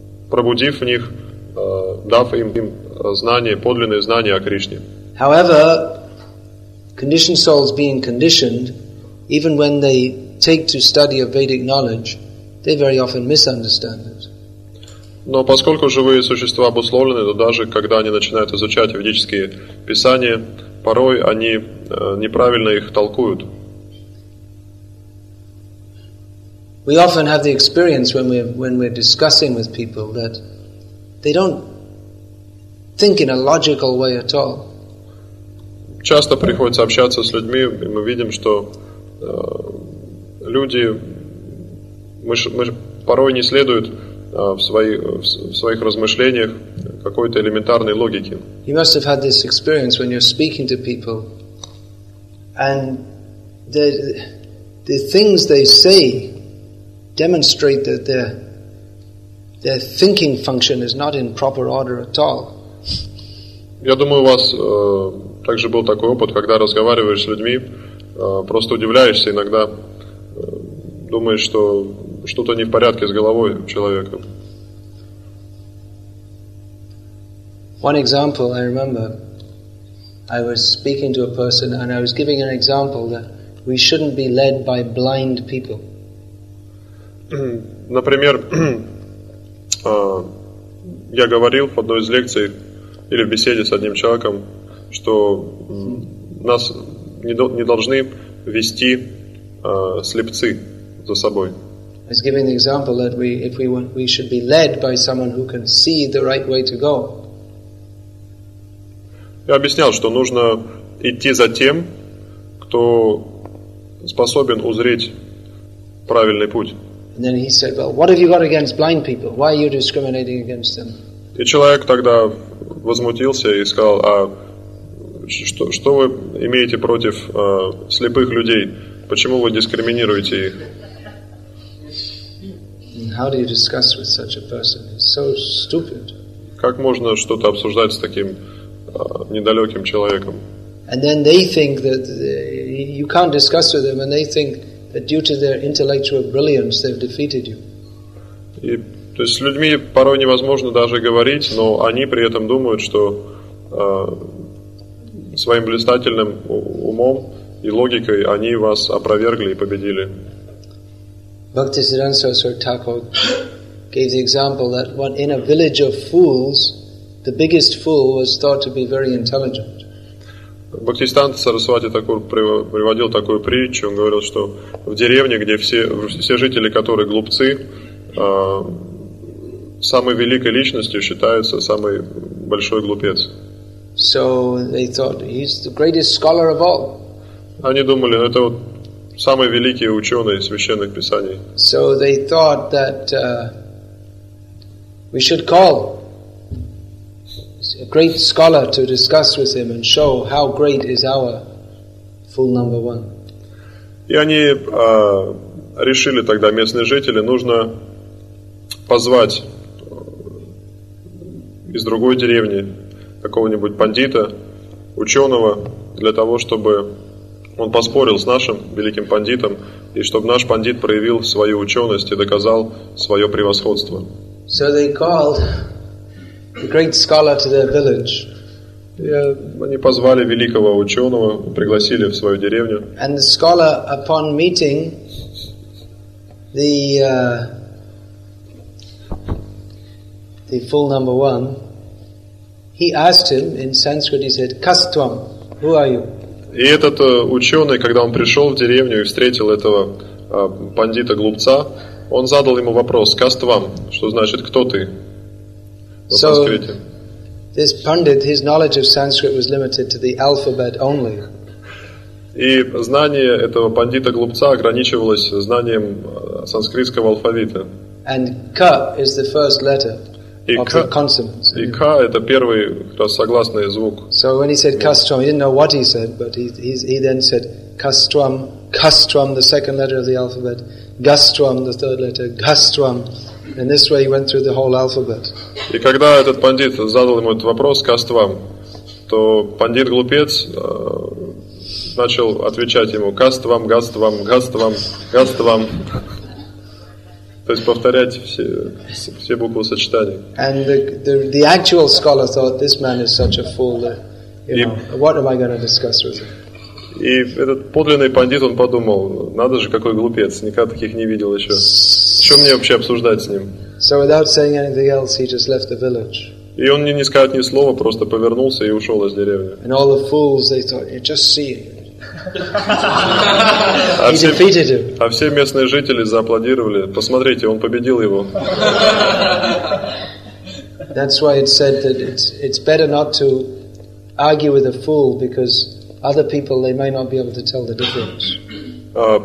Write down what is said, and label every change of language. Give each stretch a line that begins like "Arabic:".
Russian: Пробудив в них, дав им знание, подлинное знание о Кришне.
English: However, conditioned souls being conditioned, even when they take to study of Vedic knowledge, they very often misunderstand it.
Russian: Но поскольку живые существа обусловлены, то даже когда они начинают изучать ведические писания, порой они неправильно их толкуют.
English: We often have the experience when we're discussing with people that they don't think in a logical way at all.
Russian: Часто приходится общаться с людьми, и мы видим, что люди мы порой не следуют в своих размышлениях какой-то элементарной логике.
English: You must have had this experience when you're speaking to people and the things they say demonstrate that their thinking function is not in proper order at all.
Russian: Я думаю, у вас также был такой опыт, когда разговариваешь с людьми, просто удивляешься иногда, думаешь, что что-то не в порядке с головой человека.
English: One example I remember, I was speaking to a person and I was giving an example that we shouldn't be led by blind people.
Russian: Например, я говорил в одной из лекций или в беседе с одним человеком, что нас не должны вести слепцы за собой.
English: I was giving the example that we should be led by someone who can see the right way to go.
Russian: Я объяснял, что нужно идти за тем, кто способен узреть правильный путь.
English: And then he said, "Well, what have you got against blind people? Why are you discriminating against them?"
Russian: И человек тогда возмутился и сказал: "А что вы имеете против слепых людей? Почему вы дискриминируете их?"
English: And how do you discuss with such a person? It's so stupid.
Russian: Как можно что-то обсуждать с таким недалеким человеком?
English: And then they think that you can't discuss with them, and they think that due to their intellectual brilliance, they've defeated you.
Russian: И, то есть, с людьми порой невозможно даже говорить, но они при этом думают, что своим блистательным умом и логикой они вас опровергли и победили.
English: Bhaktisiddhanta Saraswati Thakur gave the example that what in a village of fools, the biggest fool was thought to be very intelligent.
Russian: Бхактисиддханта Сарасвати приводил такую притчу. Он говорил, что в деревне, где все жители, которые глупцы, самой великой личностью считается самый большой глупец.
English: So they thought, he's the greatest scholar of all.
Russian: Они думали, это вот самый великий ученый священных писаний.
English: So they thought that we should call a great scholar to discuss with him and show how great is our fool number one.
Russian: И они решили тогда, местные жители, нужно позвать из другой деревни какого-нибудь пандита, ученого, для того, чтобы он поспорил с нашим великим пандитом, и чтобы наш пандит проявил свою ученость и доказал свое превосходство.
English: So they called the great scholar to their village.
Russian: Они позвали великого ученого, пригласили в свою деревню.
English: And the scholar, upon meeting the fool number one, he asked him in Sanskrit, he said, Kastvam, who are you?
Russian: И этот ученый, когда он пришел в деревню и встретил этого пандита-глупца, он задал ему вопрос, Kastvam, что значит, кто ты?
English: So, this pundit, his knowledge of Sanskrit was limited to the alphabet only.
Russian: И знание этого пандита-глупца ограничивалось знанием санскритского алфавита.
English: And K is the first letter of the consonants.
Russian: И K – это первый согласный звук.
English: So, when he said Kastvam, he didn't know what he said, but he then said Kastvam, Kastvam, the second letter of the alphabet, Gastvam, the third letter, Gastvam. And this way he went through the whole alphabet.
Russian: И когда этот пандит задал ему этот вопрос, Kastvam, то пандит-глупец начал отвечать ему, Kastvam, Gastvam, Gastvam, Gastvam. То есть повторять все буквы сочетания.
English: And the actual scholar thought, this man is such a fool, that, what am I going to discuss with him?
Russian: И этот подлинный пандит, он подумал, надо же, какой глупец, никогда таких не видел еще. Что мне вообще обсуждать с ним?
English: So without saying anything else, he just left the village.
Russian: И он не сказал ни слова, просто повернулся и ушел из деревни.
English: And all the fools, they thought, you just see him. He defeated him.
Russian: А все местные жители зааплодировали, посмотрите, он победил его.
English: That's why it's said that it's better not to argue with a fool, because other people, they may not be able to tell the difference.